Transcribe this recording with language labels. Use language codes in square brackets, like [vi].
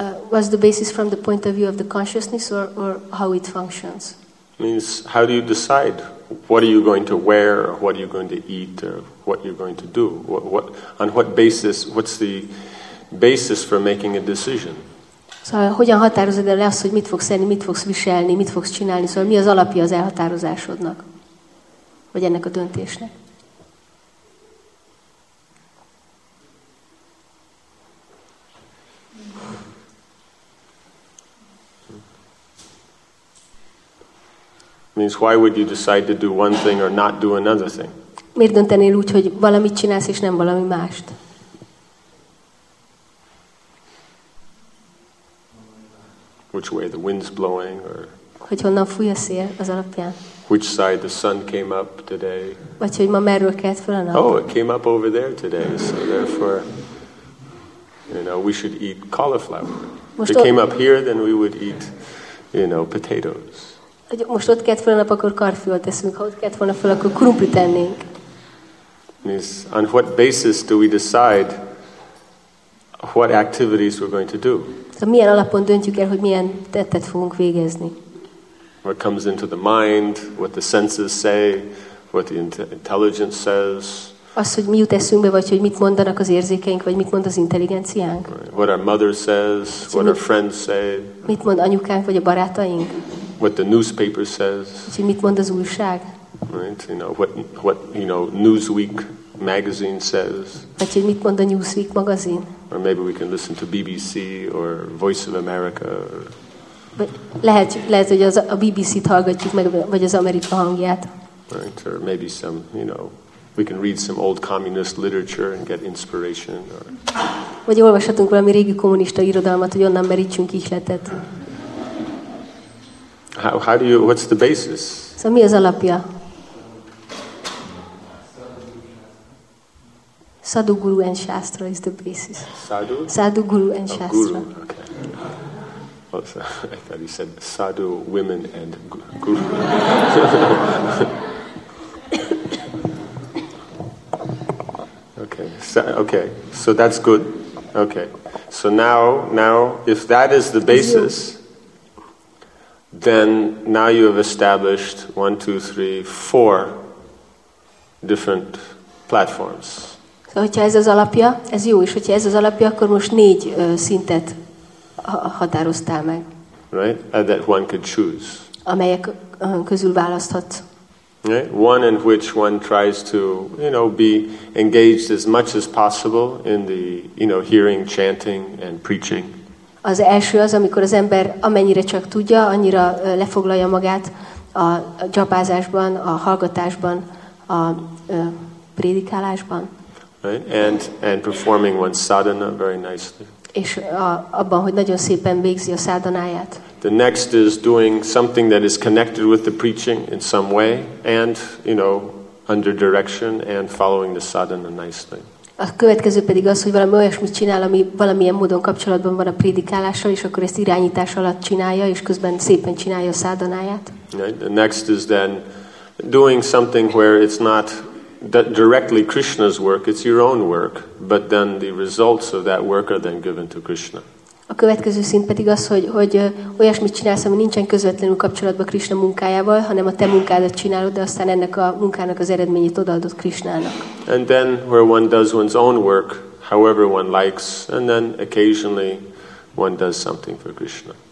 [en] What's the basis from the point of view of the consciousness or how it functions? Means how do you decide what are you going to wear or what are you going to eat or what you're going to do? What's the basis for making a decision? [hu] Szóval hogyan határozod el azt, hogy mit fogsz enni, mit fogsz viselni, mit fogsz csinálni? Szóval mi az alapja az elhatározásodnak? Vagy ennek a döntésnek? [en] Means why would you decide to do one thing or not do another thing? [hu] Miért döntenél úgy, hogy valamit csinálsz és nem valami mást? [en] Which way the wind's blowing or [hu] hogy honnan fúj a szél az alapján? [en] Which side the sun came up today? [hu] Vagy hogy ma merről kelt fel a nap? [en] Oh, it came up over there today, so therefore you know, we should eat cauliflower. If it came up here, then we would eat, you know, potatoes. [hu] Most ott kelt fel a nap, akkor karfiolt eszünk. Ha ott kelt volna fel, akkor krumplit ennénk. [en] Means, on what basis do we decide what activities we're going to do? [hu] Szóval milyen alapon döntjük el, hogy milyen tettet fogunk végezni? [en] What comes into the mind, what the senses say, what the intelligence says. [hu] Az, hogy mi jut eszünkbe, vagy hogy mit mondanak az érzékeink, vagy mit mond az intelligenciánk. [en] Right. What our mother says, what our friends say. [hu] Mit mond anyukánk, vagy a barátaink. [en] What the newspaper says. [hu] Úgy, mit mond az újság. [en] Right, you know, what you know, Newsweek magazine says. [hu] Vagy hogy mit mond a Newsweek magazin. [en] Or maybe we can listen to BBC or Voice of America. [hu] Lehet, hogy a BBC-t hallgatjuk meg, vagy az Amerika hangját. [en] Right, or maybe some, you know, we can read some old communist literature and get inspiration. [hu] Vagy olvashatunk valami régi kommunista irodalmat, hogy onnan merítsünk ihletet. [en] How do you, what's the basis? [hu] Szóval mi az alapja? [en] Sadhu Guru and Shastra is the basis. Sadhu? Sadhu Guru and Shastra. Guru, okay. Well, so, I thought you said Sadhu, women and Guru. Okay, so that's good. Okay, so now, if that is the basis, then now you have established 1, 2, 3, 4 different platforms. [hu] So, hogyha ez az alapja, ez jó, és hogyha ez az alapja, akkor most 4 szintet határoztál meg. [en] Right, that one could choose. [hu] Amelyek közül választhat. [en] Right? One in which one tries to, you know, be engaged as much as possible in the, you know, hearing, chanting, and preaching. [hu] Az első az, amikor az ember amennyire csak tudja, annyira lefoglalja magát a dzsapázásban, a hallgatásban, a prédikálásban. [en] Right? And performing one's sadhana very nicely. [hu] És abban, hogy nagyon szépen végzi a szádanáját. [en] The next is doing something that is connected with the preaching in some way and, you know, under direction and following the sadhana nicely. [hu] A következő pedig az, hogy valami olyasmit csinál, ami valamilyen módon kapcsolatban van a prédikálással, és akkor ezt irányítás alatt csinálja, és közben szépen csinálja a szádanáját. [en] The next is then doing something where it's not directly Krishna's work, it's your own work, but then the results of that work are then given to Krishna. [hu] A következő szint pedig az, hogy olyasmit csinálsz, ami nincsen közvetlenül kapcsolatban Krishna munkájával, hanem a te munkádat csinálod, de aztán ennek a munkának az eredményét odaadod Krishnának. [en] And then where one does one's own work, however one likes, and then occasionally one does something for Krishna.